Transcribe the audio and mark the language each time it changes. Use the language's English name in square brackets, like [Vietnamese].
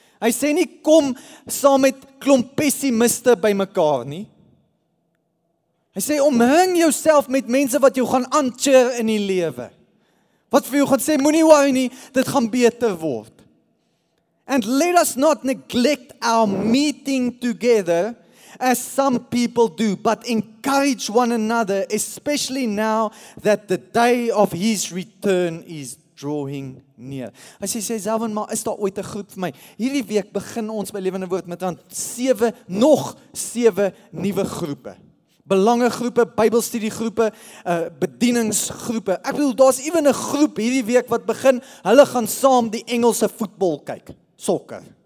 [Afrikaans] Hy sê nie, kom saam met klomp pessimiste by mekaar nie. Hy sê, omring jouself met mense wat jou gaan aancheer in die lewe. Wat vir jou gaan sê, moenie worry nie, dit gaan beter word. [English] And let us not neglect our meeting together, as some people do, but encourage one another, especially now that the day of his return is drawing near. [Afrikaans] As hy sê, Zelvin, maar is daar ooit 'n groep vir my? Hierdie week begin ons by Lewende Woord met dan 7, nog 7 nuwe groepe. Belangegroepe, Bybelstudiegroepe, bedieningsgroepe. Ek bedoel, daar is even 'n groep hierdie week wat begin, hulle gaan saam die Engelse voetbal kyk, sokker.